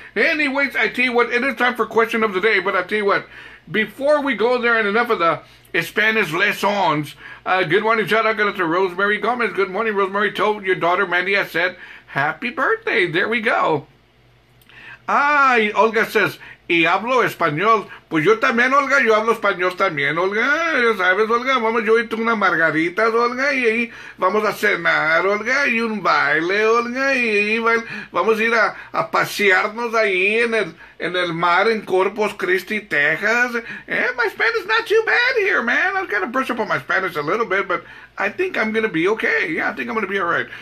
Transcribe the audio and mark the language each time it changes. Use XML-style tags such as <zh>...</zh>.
<en>Anyways, I tell you what, it is time for question of the day. But I tell you what, before we go there and enough of the Spanish lessons, good morning, shout out to Rosemary Gomez. Good morning, Rosemary. Told your daughter, Mandy, I said, happy birthday. There we go. Olga says,</en> <es>y hablo español. Pues yo también, Olga, yo hablo español también, Olga. Ya sabes, Olga, vamos yo y tú una margarita, Olga, y ahí vamos a cenar, Olga, y un baile, Olga, y ahí vamos a ir a pasearnos ahí en el mar en Corpus Christi, Texas.</es> <en>My Spanish is not too bad here, man. I've got to brush up on my Spanish a little bit, but I think I'm going to be okay. Yeah, I think I'm going to be all right.</en>